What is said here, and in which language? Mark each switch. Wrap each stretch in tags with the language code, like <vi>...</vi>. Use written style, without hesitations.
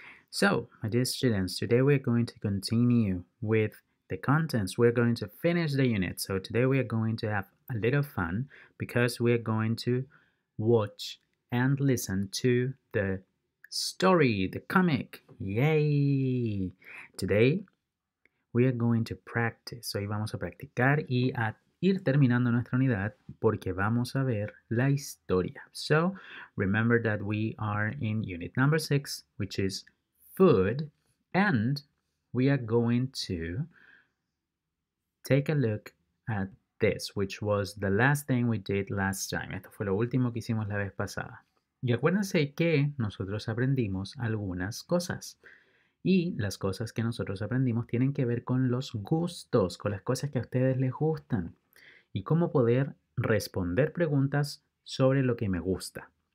<en>So, my dear students, today we're going to continue with the contents. We're going to finish the unit. So today we are going to have a little fun because we're going to watch and listen to the story, the comic. Yay! Today, we are going to practice.</en> <es>Hoy vamos a practicar y a ir terminando nuestra unidad porque vamos a ver la historia.</es> <en>So, remember that we are in unit number 6, which is food, and we are going to take a look at this, which was the last thing we did last time.</en> <es>Esto fue lo último que hicimos la vez pasada. Y acuérdense que nosotros aprendimos algunas cosas. Y las cosas que nosotros aprendimos tienen que ver con los gustos, con las cosas que a ustedes les gustan. Y cómo poder responder preguntas sobre lo que me gusta.</es>